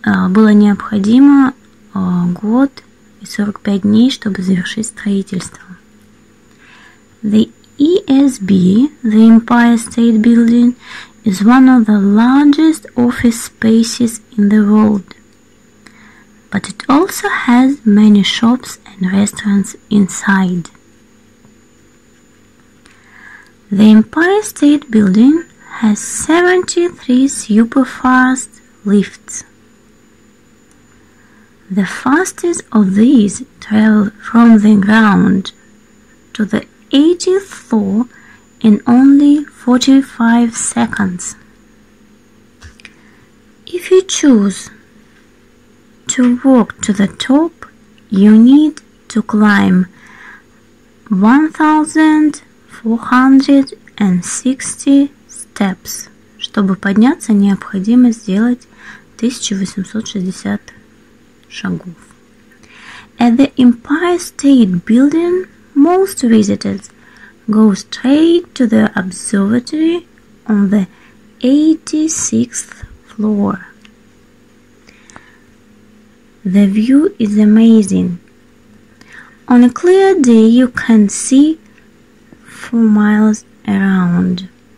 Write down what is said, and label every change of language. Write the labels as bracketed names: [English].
[Russian] Было необходимо год и 45 дней, чтобы завершить строительство. [English] The ESB, the Empire State Building, is one of the largest office spaces in the world. But it also has many shops and restaurants inside. The Empire State Building has 73 super-fast lifts. The fastest of these travel from the ground to the 80th floor in only 45 seconds. If you choose to walk to the top, you need to climb 1460 steps. [Russian] Чтобы подняться, необходимо сделать 1860 шагов. [English] At the Empire State Building, most visitors go straight to the observatory on the 86th floor. The view is amazing. On a clear day, you can see 4 miles around.